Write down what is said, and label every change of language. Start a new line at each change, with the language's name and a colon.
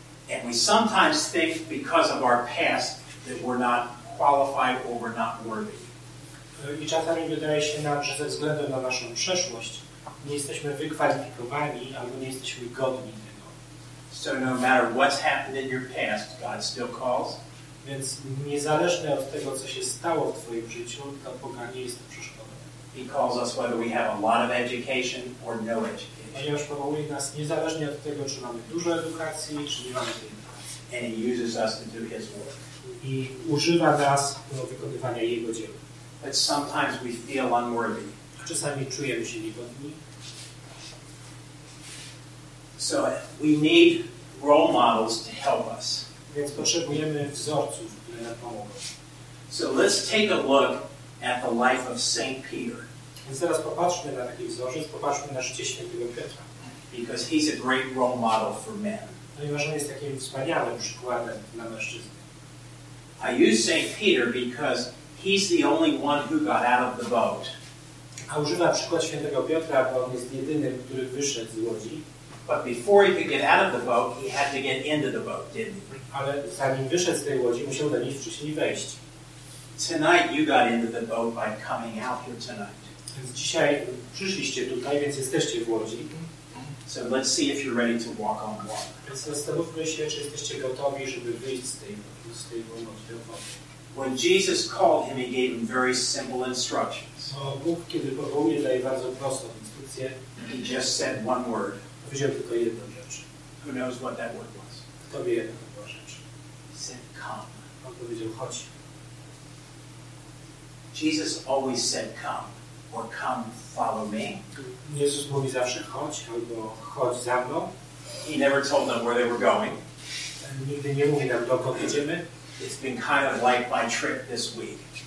English: And we sometimes think because of our past that we're not qualified or we're not worthy.
Polish: I czasami wydaje się nam, że ze względu na naszą przeszłość nie jesteśmy wykwalifikowani albo nie jesteśmy godni tego.
English: So no matter what's happened in your past, God still calls.
Polish: Więc niezależnie od tego, co się stało w twoim życiu, to Boga nie jest przeszkodą.
English: He calls us whether we have a lot of education or no education.
Polish: Ponieważ powołuje nas niezależnie od tego, czy mamy dużo edukacji, czy nie mamy tej edukacji.
English: And he uses us to do his work.
Polish: I używa nas do wykonywania jego dzieła.
English: But sometimes we feel unworthy.
Polish: Czasami czujemy się niegodni.
English: So we need role models to help us.
Polish: Więc potrzebujemy wzorców, które nam pomogą.
English: So let's take a look at the life of Saint Peter.
Polish: Więc teraz popatrzmy na taki wzorzec, popatrzmy na życie świętego Piotra.
English: Because he's a great role model for men.
Polish: Ponieważ on jest takim wspaniałym przykładem dla mężczyzn.
English: I use Saint Peter because he's the only one who got out of the boat.
Polish: A używa przykład świętego Piotra, bo on jest jedynym, który wyszedł z łodzi.
English: But before he could get out of the boat, he had to get into the boat, didn't he?
Polish: Ale zanim wyszedł z tej łodzi, musiał do niej wcześniej wejść.
English: Tonight you got into the boat by coming out here tonight.
Polish: Więc dzisiaj przyszliście tutaj, więc jesteście w łodzi.
English: So let's see if you're ready to walk on water.
Polish: Więc zastanówmy się, czy jesteście gotowi, żeby wyjść z tej łodzi.
English: When Jesus called him, he gave him very simple instructions.
Polish: Bóg, kiedy powołuje, daje bardzo prostą instrukcję.
English: He just said one word.
Polish: Powiedział tylko jedną rzecz.
English: Who knows what that word was?
Polish: Kto wie, jaka to była rzecz?
English: He said, come.
Polish: On powiedział, chodź.
English: Jesus always said, come, or come, follow me.
Polish: Jezus mówi zawsze, chodź, albo chodź za mną.
English: He never told them where they were going.
Polish: Nigdy nie mówi nam, dokąd idziemy.
English: It's been kind of like my trip this week.